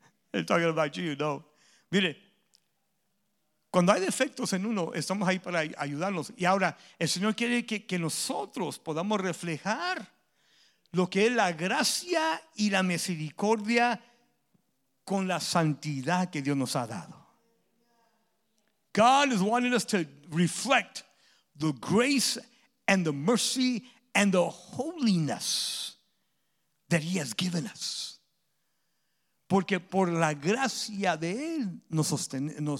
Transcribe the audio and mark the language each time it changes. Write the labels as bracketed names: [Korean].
[English] They're talking about you, [Spanish] no. Mire, cuando hay defectos en uno, estamos ahí para ayudarnos. Y ahora, el Señor quiere que nosotros podamos reflejar lo que es la gracia y la misericordia con la santidad que Dios nos ha dado. [English] God is wanting us to reflect the grace and the mercy and the holiness that he has given us. [Spanish] Porque por la gracia de él, nos sostiene.